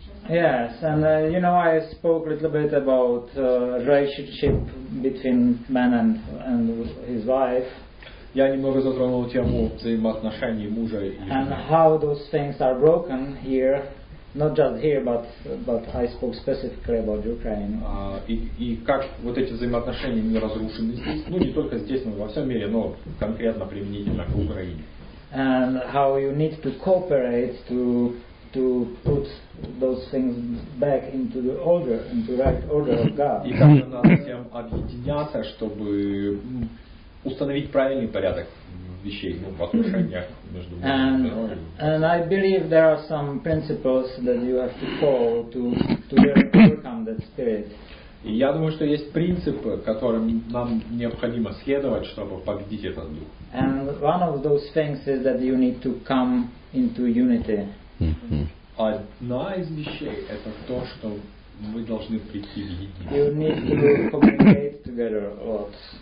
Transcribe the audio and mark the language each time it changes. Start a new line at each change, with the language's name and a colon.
English: Yes, and you know, I spoke a little bit about relationship between man and his wife.
Russian: Я немного затронул тему взаимоотношений мужа и жены.
English: And how those things are broken here, not just here, but I spoke specifically about Ukraine.
Russian: И как вот эти взаимоотношения не разрушены здесь, не только здесь, но во всем мире, но конкретно применительно к Украине.
English: And how you need to cooperate to put those things back into the order, into the right order of God.
Russian: И как надо всем объединяться, чтобы установить правильный порядок вещей, ну, в отношениях между нами.
English: And I believe there are some principles that you have to follow to overcome that spirit.
Russian: И я думаю, что есть принципы, которым нам необходимо следовать, чтобы победить этот дух.
English: And one of those things is that you need to come into unity.
Russian: Одна из вещей — это то, что мы должны прийти в единство.
English: You need to communicate together a lot.